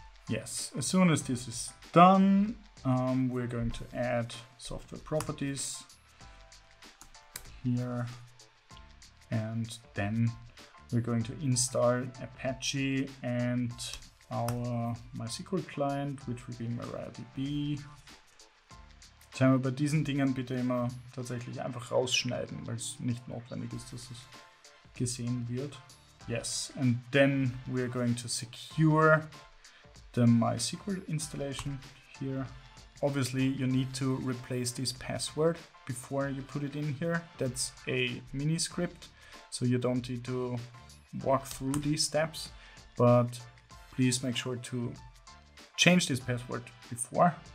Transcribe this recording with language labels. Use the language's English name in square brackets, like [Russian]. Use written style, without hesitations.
[English] Yes, as soon as this is done, we're going to add software properties here. And then we're going to install Apache and our MySQL client, which will be MariaDB. [German] Jetzt haben wir bei diesen Dingen bitte immer tatsächlich einfach rausschneiden, weil es nicht notwendig ist, dass es gesehen wird. [English] Yes, and then we're going to secure the MySQL installation here. Obviously, you need to replace this password before you put it in here. That's a mini script, so you don't need to walk through these steps, but please make sure to change this password before.